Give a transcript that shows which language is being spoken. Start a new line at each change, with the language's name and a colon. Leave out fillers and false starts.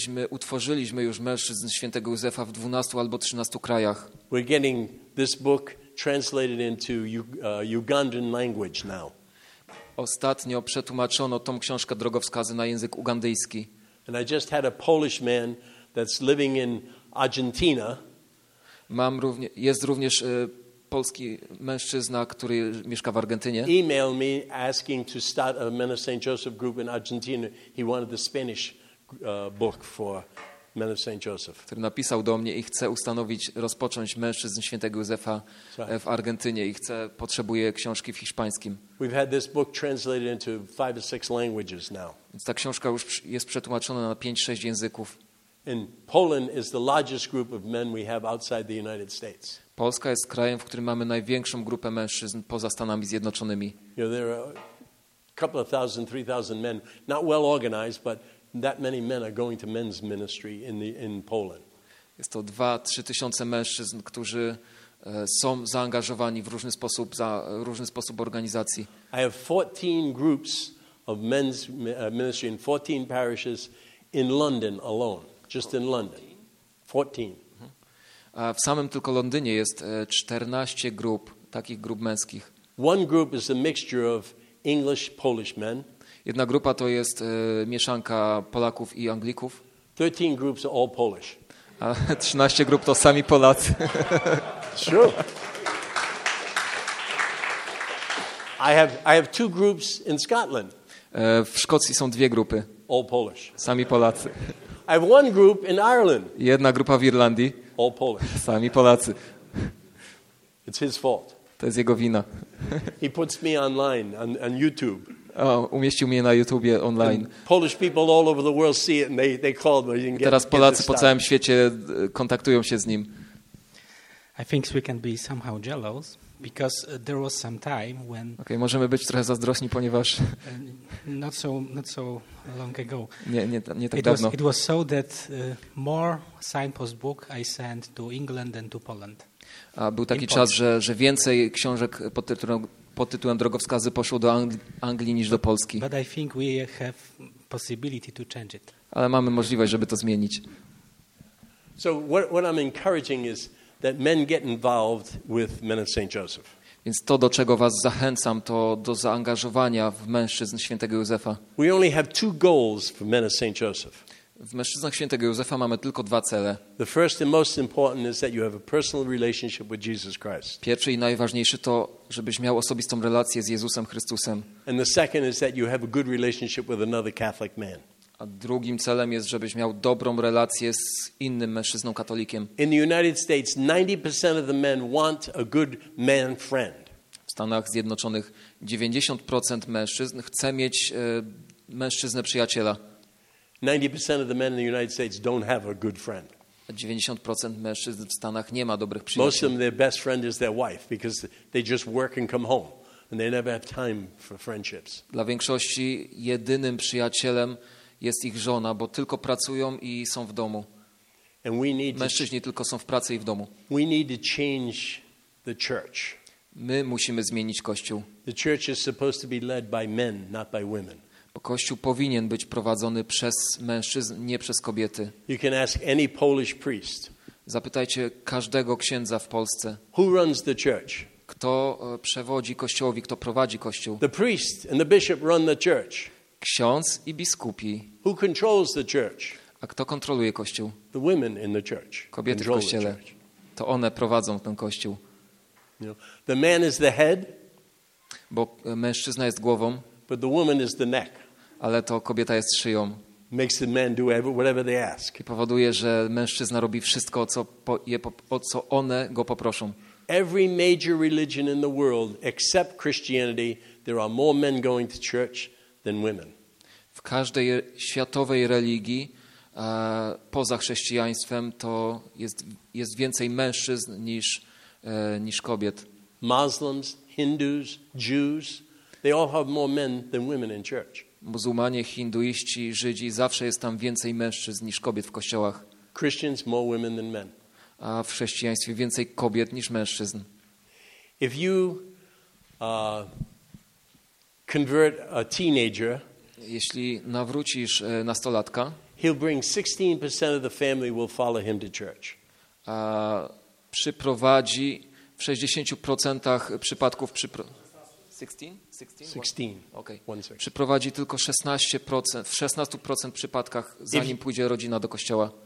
Polish: Utworzyliśmy już mężczyzn Świętego Józefa w 12 albo 13 krajach.
English: We're getting this book translated into Ugandan language now.
Polish: Ostatnio przetłumaczono tą książkę drogowskazy na język ugandyjski.
English: And I just had a Polish man that's living in Argentina.
Polish: Jest również polski mężczyzna, który mieszka w Argentynie.
English: Email me asking to start a Men of St. Joseph group in Argentina. He wanted the Spanish book for Men of St. Joseph.
Polish: Który napisał do mnie i chce rozpocząć mężczyzn Świętego Józefa w Argentynie i potrzebuje książki w hiszpańskim.
English: We've had this book translated into 5 or 6 languages now.
Polish: Ta książka już jest przetłumaczona na 5-6 języków.
English: In Poland is the largest group of men we have outside the United States.
Polish: Polska jest krajem, w którym mamy największą grupę mężczyzn poza Stanami Zjednoczonymi.
English: You know, there are a couple of thousand, 3,000 men, not well organized, but that many men are going to men's ministry in Poland.
Polish: Jest to 2-3 tysiące mężczyzn, którzy są zaangażowani w różny sposób, za różny sposób organizacji.
English: I have 14 groups of men's ministry in 14 parishes in London alone, just in London. 14.
Polish: A w samym tylko Londynie jest 14 grup, takich grup męskich.
English: One group is a mixture of English, Polish men.
Polish: Jedna grupa to jest mieszanka Polaków i Anglików.
English: 13 groups are all Polish.
Polish: A 13 grup to sami Polacy.
English: True. I have 2 groups in Scotland.
Polish: W Szkocji są 2 grupy.
English: All Polish.
Polish: Sami Polacy.
English: I have one group in Ireland.
Polish: Jedna grupa w Irlandii.
English: All Polish.
Polish: Sami Polacy.
English: It's his fault.
Polish: To jest jego wina.
English: He puts me online on YouTube.
Polish: O, umieścił mnie na YouTubie online.
English: And Polish people all over the world see it and they called me.
Polish: Teraz Polacy po całym świecie kontaktują się z nim.
English: I think we can be somehow jealous because there was some time when.
Polish: Okay, możemy być trochę zazdrośni, ponieważ.
English: Not so long ago.
Polish: Nie tak
English: it
Polish: dawno.
English: It was so that more signpost book I sent to England than to Poland.
Polish: A był taki czas, że więcej książek pod tytułem drogowskazy poszło do Anglii niż do Polski.
English: But I think we have possibility to change it.
Polish: Ale mamy możliwość, żeby to zmienić.
English: So what I'm encouraging is that men get involved with Men of St. Joseph.
Polish: Więc to, do czego was zachęcam, to do zaangażowania w mężczyzn świętego Józefa.
English: We only have two goals for men of Saint Joseph.
Polish: W mężczyznach świętego Józefa mamy tylko dwa cele.
English: The first and most important is that you have a personal relationship with Jesus Christ.
Polish: Pierwszy i najważniejszy to, żebyś miał osobistą relację z Jezusem Chrystusem.
English: And the second is that you have a good relationship with another Catholic man.
Polish: A drugim celem jest, żebyś miał dobrą relację z innym mężczyzną katolikiem.
English: In the United States, 90% of the men want a good man friend.
Polish: W Stanach Zjednoczonych 90% mężczyzn chce mieć mężczyznę przyjaciela.
English: 90% of the men in the United States don't have a good friend.
Polish: 90% mężczyzn w Stanach nie ma dobrych przyjaciół.
English: Most of them, their best friend is their wife because they just work and come home and they never have time for friendships.
Polish: Dla większości jedynym przyjacielem jest ich żona, bo tylko pracują i są w domu. Mężczyźni tylko są w pracy i w domu.
English: We need to change the church.
Polish: My musimy zmienić Kościół.
English: The church is supposed to be led by men, not by women.
Polish: Bo Kościół powinien być prowadzony przez mężczyzn, nie przez kobiety.
English: You can ask any Polish priest.
Polish: Zapytajcie każdego księdza w Polsce.
English: Who runs the church?
Polish: Kto przewodzi Kościołowi, kto prowadzi Kościół?
English: The priest and the bishop run the church.
Polish: Ksiądz i biskupi.
English: Who controls the church?
Polish: A kto kontroluje Kościół?
English: The women in the church.
Polish: Kobiety w Kościele. To one prowadzą ten Kościół.
English: You know, the man is the head.
Polish: Bo mężczyzna jest głową.
English: But the woman is the neck.
Polish: Ale to kobieta jest szyją.
English: Makes the men do whatever they ask.
Polish: I powoduje, że mężczyzna robi wszystko, o co one go poproszą.
English: Every major religion in the world, except Christianity, there are more men going to church than women.
Polish: W każdej światowej religii, poza chrześcijaństwem, to jest więcej mężczyzn niż kobiet.
English: Muslims, Hindus, Jews. They all have more men than women in church.
Polish: Muzułmanie, hinduiści, Żydzi, zawsze jest tam więcej mężczyzn niż kobiet w kościołach.
English: Christians more women than men.
Polish: A w chrześcijaństwie więcej kobiet niż mężczyzn.
English: If you convert a teenager,
Polish: jeśli nawrócisz nastolatka,
English: he'll bring 16% of the family will follow him to church.
Polish: A przyprowadzi w 60% przypadków
English: 16? Okay.
Polish: Przyprowadzi tylko 16%, w 16% przypadkach, zanim pójdzie rodzina do kościoła.